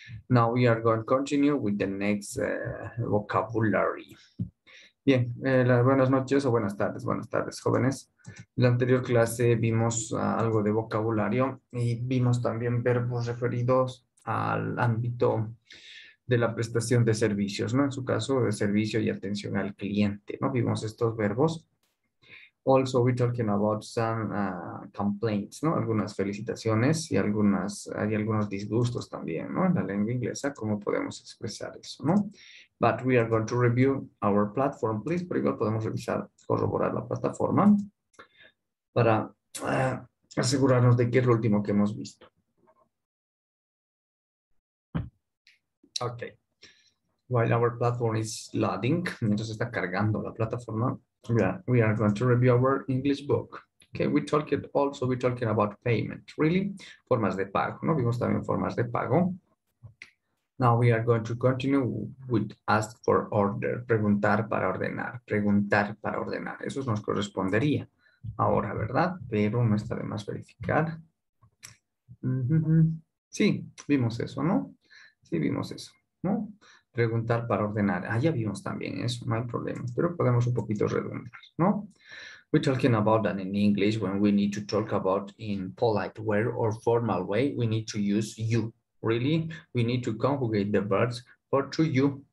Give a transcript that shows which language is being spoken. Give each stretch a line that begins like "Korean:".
English: Now we are going to continue with the next vocabulary.
Spanish: Bien, las buenas noches o buenas tardes jóvenes. En la anterior clase vimos algo de vocabulario y vimos también verbos referidos al ámbito de la prestación de servicios, ¿no? En su caso, de servicio y atención al cliente, ¿no? Vimos estos verbos.
English: Also, we're talking about some complaints, ¿no?
Spanish: Algunas felicitaciones y algunos disgustos también, ¿no? En la lengua inglesa, ¿cómo podemos expresar eso, no?
English: But we are going to review our platform, please.
Spanish: Pero igual podemos revisar, corroborar la plataforma para asegurarnos de que es lo último que hemos visto.
English: Okay. While our platform is loading,
Spanish: mientras está cargando la plataforma,
English: we are going to review our English book. Okay, we're talking about payment, really,
Spanish: formas de pago,
English: ¿no?
Spanish: Vimos también formas de pago.
English: Now we are going to continue with ask for order,
Spanish: preguntar para ordenar, preguntar para ordenar. Eso nos correspondería ahora, ¿verdad? Pero no está de más verificar. Sí, vimos eso, ¿no? Sí, vimos eso, ¿no? Preguntar para ordenar. Ah, ya vimos también eso, no hay problema. Pero podemos un poquito redundar, ¿no?
English: We're talking about that in English when we need to talk about in polite way or formal way, we need to use you. Really, we need to conjugate the verbs for to you.